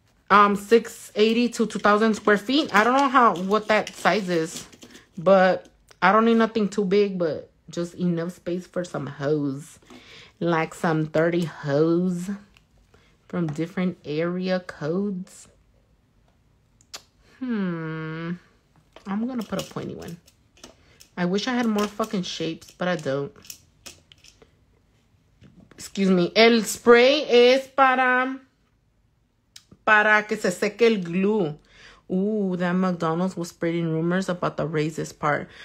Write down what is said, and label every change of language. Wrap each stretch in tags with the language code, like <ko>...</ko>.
<en>680 to 2,000 square feet. I don't know what that size is, but I don't need nothing too big, but just enough space for some hoes, like some 30 hoes from different area codes. I'm gonna put a pointy one. I wish I had more fucking shapes, but I don't. Excuse me.</en> <es>El spray es para que se seque el glue.</es> <en>Ooh, that McDonald's was spreading rumors about the racist part.</en>